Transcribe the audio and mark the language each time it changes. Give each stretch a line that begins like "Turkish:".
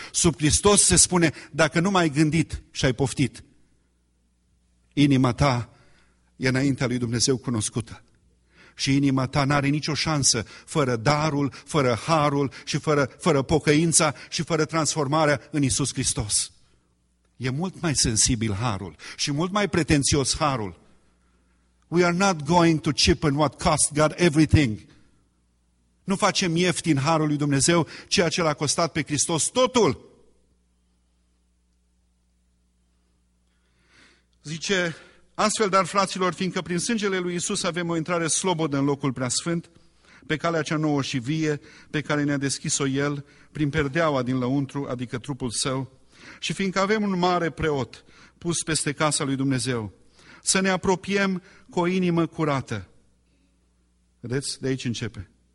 Romanian: Sub Hristos se spune, dacă nu m-ai gândit și ai poftit, inima ta e înaintea lui Dumnezeu cunoscută. Și inima ta n-are nicio șansă fără darul, fără harul și fără pocăința și fără transformarea în Iisus Hristos. E mult mai sensibil harul și mult mai pretențios harul.
English: We are not going to cheapen what cost God everything.
Romanian: Nu facem ieftin harul lui Dumnezeu, ceea ce l-a costat pe Hristos totul. Zice, astfel dar fraților, fiindcă prin sângele lui Iisus avem o intrare slobodă în locul preasfânt, pe calea cea nouă și vie, pe care ne-a deschis-o El, prin perdeaua din lăuntru, adică trupul Său, și fiindcă avem un mare preot pus peste casa lui Dumnezeu, să ne apropiem cu o inimă curată. Vedeți? De aici începe.